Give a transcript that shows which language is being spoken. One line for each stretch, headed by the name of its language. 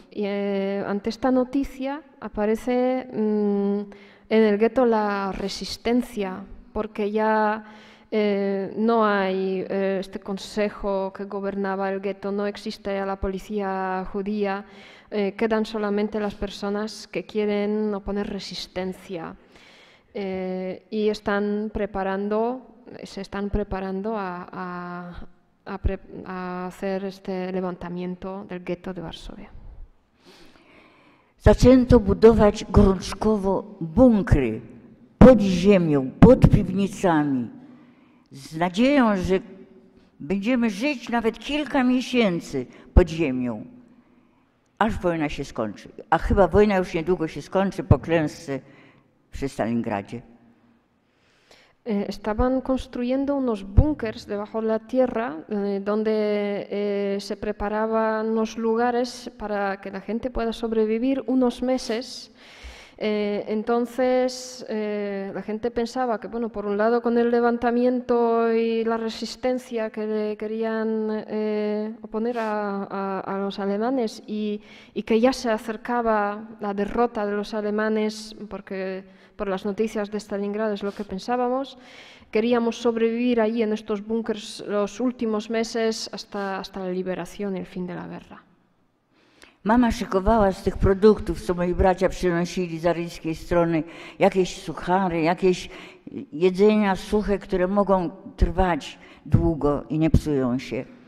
Spanish: Y ante esta noticia aparece en el gueto la resistencia, porque ya no hay este consejo que gobernaba el gueto, no existe ya la policía judía, quedan solamente las personas que quieren oponer resistencia. Y están preparando, se están preparando a hacer este levantamiento del gueto de Varsovia.
Polish: Zaczęto budować gorączkowo bunkry pod ziemią, pod piwnicami, z nadzieją, że będziemy żyć nawet kilka miesięcy pod ziemią, aż wojna się skończy. A chyba wojna już niedługo się skończy po klęsce przy Stalingradzie.
Spanish: Estaban construyendo unos búnkers debajo de la tierra, donde se preparaban unos lugares para que la gente pueda sobrevivir unos meses. Entonces, la gente pensaba que, bueno, por un lado con el levantamiento y la resistencia que le querían oponer a los alemanes y que ya se acercaba la derrota de los alemanes, porque por las noticias de Stalingrado es lo que pensábamos, queríamos sobrevivir ahí en estos búnkers los últimos meses hasta la liberación y el fin de la guerra.
Polish: Mama szykowała z tych produktów, co moi bracia przynosili z aryjskiej strony, jakieś suchary, jakieś jedzenia suche, które mogą trwać długo i nie psują się.